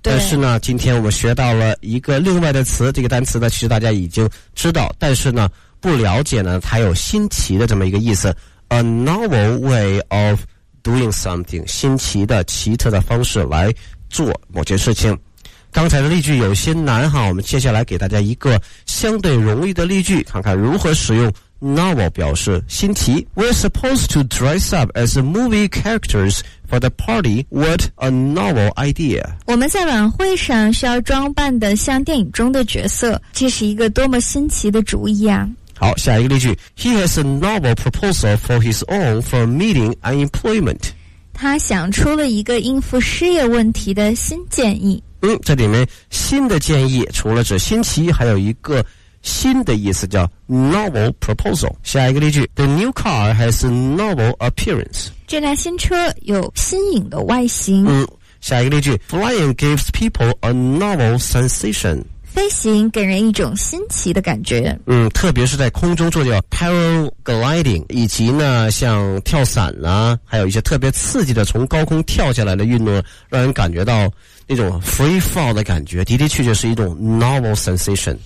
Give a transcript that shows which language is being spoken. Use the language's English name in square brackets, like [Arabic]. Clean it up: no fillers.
[Chinese] 但是呢，今天我们学到了一个另外的词，这个单词呢，其实大家已经知道，但是呢，不了解呢，它有新奇的这么一个意思。 [English] A novel way of doing something， [Chinese] 新奇的、奇特的方式来做某件事情。刚才的例句有些难哈，我们接下来给大家一个相对容易的例句，看看如何使用 novel 表示新奇。 [English] We're supposed to dress up as movie characters for the party. What a novel idea！ [Chinese] 我们在晚会上需要装扮的像电影中的角色，这是一个多么新奇的主意啊！好，下一个例句。 [English] He has a novel proposal for his own for meeting unemployment. [Chinese] 他想出了一个应付失业问题的新建议。嗯，这里面新的建议除了指新奇，还有一个新的意思叫 novel proposal。下一个例句。 [English] The new car has a novel appearance. [Chinese] 这辆新车有新颖的外形。嗯，下一个例句。 [English] Flying gives people a novel sensation. [Chinese] 飞行给人一种新奇的感觉。嗯，特别是在空中做叫 paragliding， 以及呢像跳伞啦、啊，还有一些特别刺激的从高空跳下来的运动，让人感觉到那种 free fall 的感觉，的的确确是一种 novel sensation。